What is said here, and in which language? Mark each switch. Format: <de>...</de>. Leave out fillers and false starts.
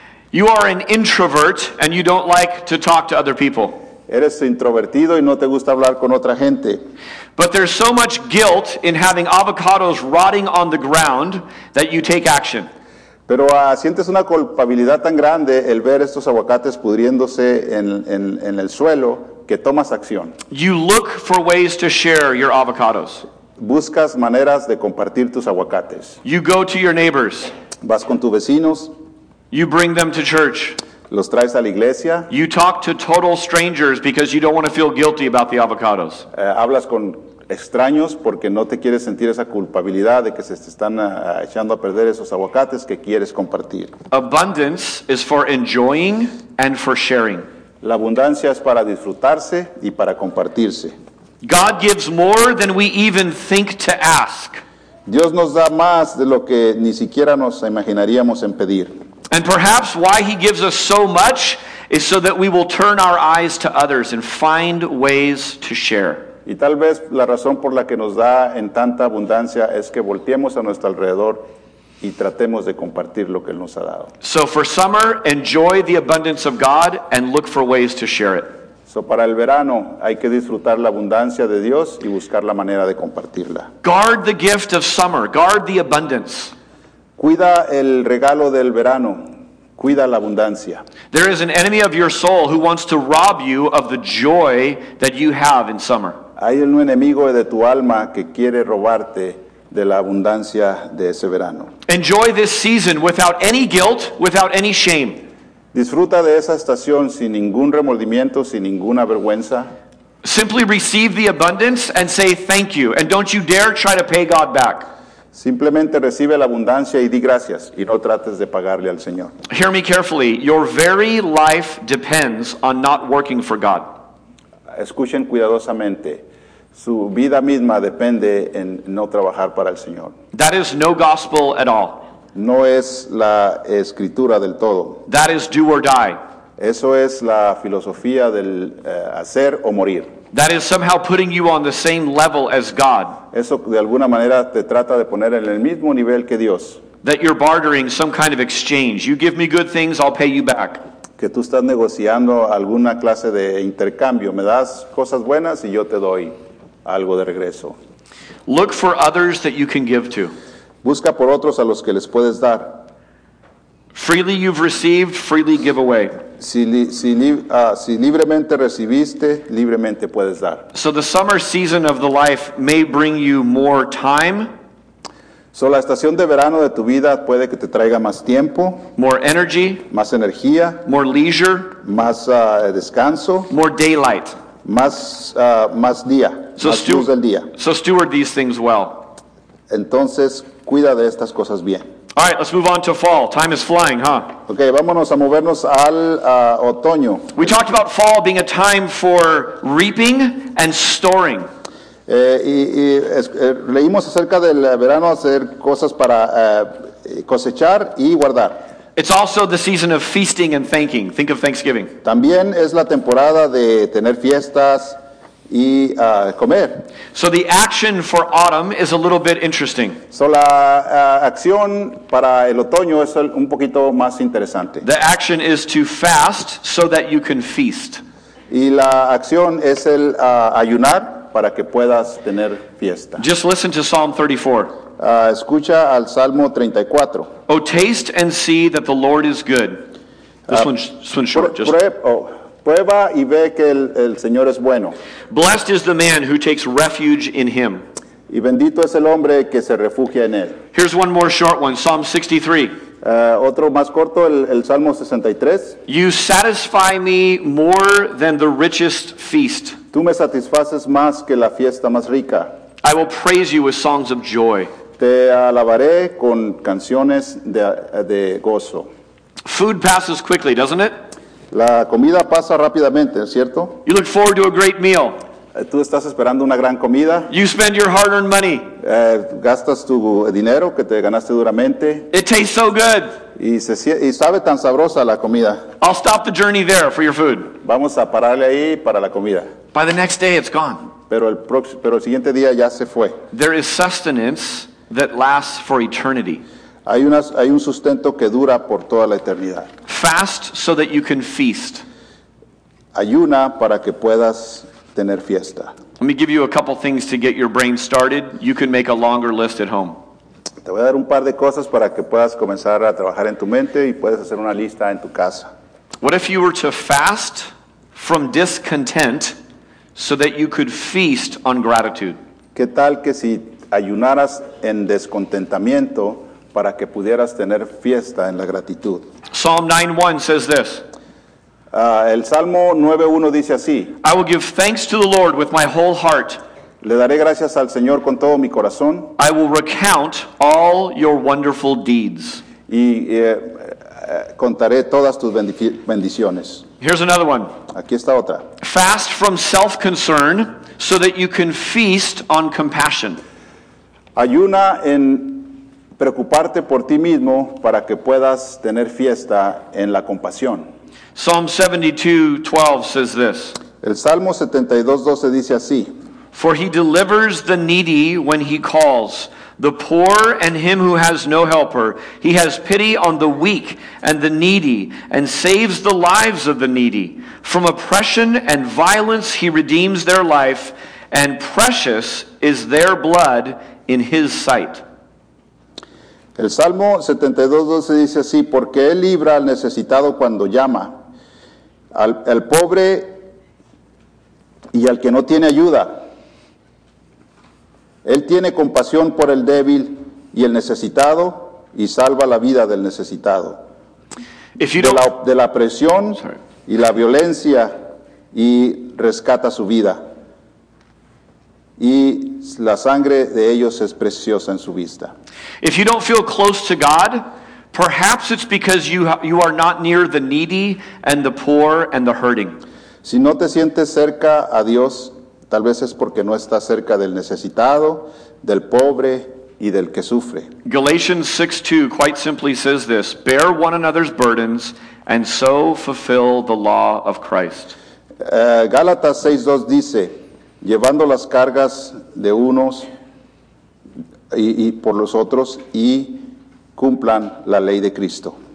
<en>You are an introvert and you don't like to talk to other people.</en> <es>Eres introvertido y no te gusta hablar con otra gente.</es> <en>But there's so much guilt in having avocados rotting on the ground that you take action.</en> <es>Pero sientes una culpabilidad tan grande el ver estos aguacates pudriéndose en el suelo que tomas acción.</es> <en>You look for ways to share your avocados.</en> <es>Buscas maneras de compartir tus aguacates.</es> <en>You go to your neighbors.</en> <es>Vas con tus vecinos.</es> <en>You bring them to church.</en> <es>Los traes a la iglesia.</es> <en>You talk to total strangers because you don't want to feel guilty about the avocados.</en> <es>Hablas con extraños porque no te quieres sentir esa culpabilidad de que se te están echando a perder esos aguacates que quieres compartir.</es> <en>Abundance is for enjoying and for sharing.</en> <es>La abundancia es para disfrutarse y para compartirse.</es> <en>God gives more than we even think to ask.</en> <es>Dios nos da más de lo que ni siquiera nos imaginaríamos en pedir.</es> <en>And perhaps why he gives us so much is so that we will turn our eyes to others and find ways to share.</en> <es>Y tal vez la razón por la que nos da en tanta abundancia es que volteemos a nuestro alrededor y tratemos de compartir lo que Él nos ha dado.</es> <en>So for summer, enjoy the abundance of God and look for ways to share it.</en> <es>So para el verano hay que disfrutar la abundancia de Dios y buscar la manera de compartirla.</es> <en>Guard the gift of summer. Guard the abundance.</en> <es>Cuida el regalo del verano. Cuida la abundancia.</es> <en>There is an enemy of your soul who wants to rob you of the joy that you have in summer.</en> <es>Hay un enemigo de tu alma que quiere robarte de la abundancia de ese verano.</es> <en>Enjoy this season without any guilt, without any shame.</en> <es>Disfruta de esa estación sin ningún remordimiento, sin ninguna vergüenza.</es> <en>Simply receive the abundance and say thank you, and don't you dare try to pay God back.</en> <es>Simplemente recibe la abundancia y di gracias y no trates de pagarle al Señor.</es> <en>Hear me carefully. Your very life depends on not working for God.</en> <es>Escuchen cuidadosamente. Su vida misma depende en no trabajar para el Señor.</es> <en>That is no gospel at all.</en> <es>No es la escritura del todo.</es> <en>That is do or die.</en> <es>Eso es la filosofía del hacer o morir.</es> <en>That is somehow putting you on the same level as God.</en> <es>Eso de alguna manera te trata de poner en el mismo nivel que Dios.</es> <en>That you're bartering some kind of exchange. You give me good things, I'll pay you back.</en> <es>Que tú estás negociando alguna clase de intercambio. Me das cosas buenas y yo te doy algo de regreso.</es> <en>Look for others that you can give to.</en> <es>Busca por otros a los que les puedes dar.</es> <en>Freely you've received, freely give away.</en> <es>Si libremente recibiste, libremente puedes dar.</es> <en>So the summer season of the life may bring you more time.</en> <es>So la estación de verano de tu vida puede que te traiga más tiempo.</es> <en>More energy.</en> <es>Más energía.</es> <en>More leisure.</en> <es>Más descanso.</es> <en>More daylight.</en> <es>Más día. So más luz del día.</es> <en>So steward these things well.</en> <es>Entonces, cuida de estas cosas bien.</es> <en>All right, let's move on to fall. Time is flying, huh?</en> <es>Okay, vámonos a movernos al otoño.</es> <en>We talked about fall being a time for reaping and storing.</en> <es>Leímos acerca del verano hacer cosas para cosechar y guardar.</es> <en>It's also the season of feasting and thanking. Think of Thanksgiving.</en> <es>También es la temporada de tener fiestas y comer.</es> <en>So the action for autumn is a little bit interesting.</en> <es>So la acción para el otoño es un poquito más interesante.</es> <en>The action is to fast so that you can feast.</en> <es>Y la acción es el ayunar para que puedas tener fiesta.</es> <en>Just listen to Psalm 34.</en> <es>Escucha al Salmo 34.</es> <en>Oh, taste and see that the Lord is good. This one's short.</en> <es>Prueba y ve que el Señor es bueno.</es> <en>Blessed is the man who takes refuge in Him.</en> <es>Y bendito es el hombre que se refugia en él.</es> <en>Here's one more short one, Psalm 63.</en> <es>Otro más corto, el Salmo 63.</es> <en>You satisfy me more than the richest feast.</en> <es>Tú me satisfaces más que la fiesta más rica.</es> <en>I will praise you with songs of joy.</en> <es>Te alabaré con canciones de gozo.</es> <en>Food passes quickly, doesn't it?</en> <es>La comida pasa rápidamente, ¿cierto?</es> <en>You look forward to a great meal.</en> <es>Tú estás esperando una gran comida.</es> <en>You spend your hard-earned money.</en> <es>Gastas tu dinero que te ganaste duramente.</es> <en>It tastes so good.</en> <es>Y sabe tan sabrosa la comida.</es> <en>I'll stop the journey there for your food.</en> <es>Vamos a pararle ahí para la comida.</es> <en>By the next day, it's gone.</en> <es>Pero el siguiente día ya se fue.</es> <en>There is sustenance that lasts for eternity.</en> <es>Hay un sustento que dura por toda la eternidad.</es> <en>Fast so that you can feast.</en> <es>Ayuna para que puedas tener fiesta.</es> <en>Let me give you a couple things to get your brain started. You can make a longer list at home.</en> <es>Te voy a dar un par de cosas para que puedas comenzar a trabajar en tu mente y puedes hacer una lista en tu casa.</es> <en>What if you were to fast from discontent so that you could feast on gratitude?</en> <es>¿Qué tal que si ayunaras en descontentamiento para que pudieras tener fiesta en la gratitud?</es> <en>Psalm 9:1 says this.</en> <es>El Salmo 9:1 dice así.</es> <en>I will give thanks to the Lord with my whole heart.</en> <es>Le daré gracias al Señor con todo mi corazón.</es> <en>I will recount all your wonderful deeds.</en> <es>Y contaré todas tus bendiciones.</es> <en>Here's another one.</en> <es>Aquí está otra.</es> <en>Fast from self-concern so that you can feast on compassion.</en> <es>Ayuna en preocuparte por ti mismo para que puedas tener fiesta en la compasión.</es> <en>Psalm 72:12 says this.</en> <es>El Salmo 72:12 dice así.</es> <en>For he delivers the needy when he calls, the poor and him who has no helper. He has pity on the weak and the needy and saves the lives of the needy. From oppression and violence he redeems their life, and precious is their blood in his sight.</en> <es>El Salmo 72:12 dice así, porque él libra al necesitado cuando llama, al pobre y al que no tiene ayuda. Él tiene compasión por el débil y el necesitado y salva la vida del necesitado. De la opresión y la violencia y rescata su vida. Y la sangre de ellos es preciosa en su vista.</es> <en>If you don't feel close to God, perhaps it's because you are not near the needy and the poor and the hurting.</en> <es>Si no te sientes cerca a Dios, tal vez es porque no estás cerca del necesitado, del pobre y del que sufre.</es> <en>Galatians 6:2 quite simply says this, bear one another's burdens and so fulfill the law of Christ.</en> <es>Gálatas 6:2 dice, llevando las cargas de unos y por los otros y cumplan la ley de Cristo.</es>